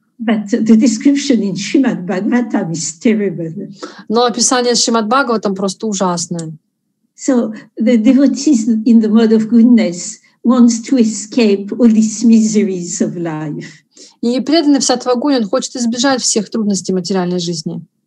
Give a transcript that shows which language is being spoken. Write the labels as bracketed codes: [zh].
[en] But the description in Srimad Bhagavatam is terrible. [ru] Но описание Шримад Бхагаватам просто ужасное. [en] So the devotees in the mode of goodness wants to escape all these miseries of life. [ru] И преданный в сатвагуне, он хочет избежать всех трудностей материальной жизни.